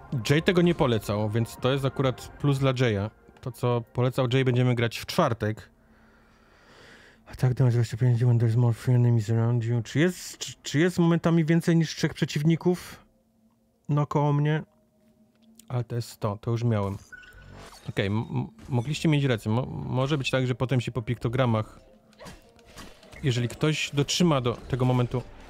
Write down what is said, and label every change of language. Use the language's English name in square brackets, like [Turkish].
[Polish] Jay tego nie polecał, więc to jest akurat plus dla Jaya. To, co polecał Jay, będziemy grać w czwartek. [English] Attack damage 25 when there's more free enemies around you. [Polish] Czy jest momentami więcej niż trzech przeciwników? No, koło mnie. Ale to jest 100, to już miałem. Okej, okay, mogliście mieć rację. Może być tak, że potem się po piktogramach... Jeżeli ktoś dotrzyma do tego momentu...